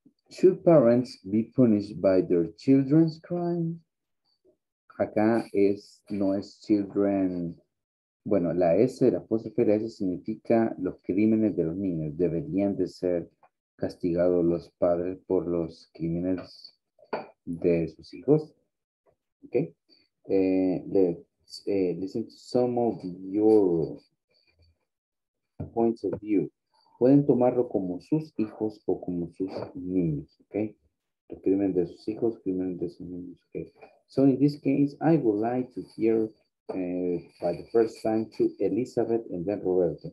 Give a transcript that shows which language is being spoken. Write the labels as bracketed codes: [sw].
[en] Should parents be punished by their children's crime? [es] Acá es, no es children. Bueno, la S, la apóstrofe S significa los crímenes de los niños. Deberían de ser castigados los padres por los crímenes de sus hijos. [en] Okay. Let's listen to some of your points of view. [es] Pueden tomarlo como sus hijos o como sus niños, okay? Los crímenes de sus hijos, crímenes de sus niños, okay? [en] So in this case, I would like to hear by the first time to Elizabeth and then Roberto.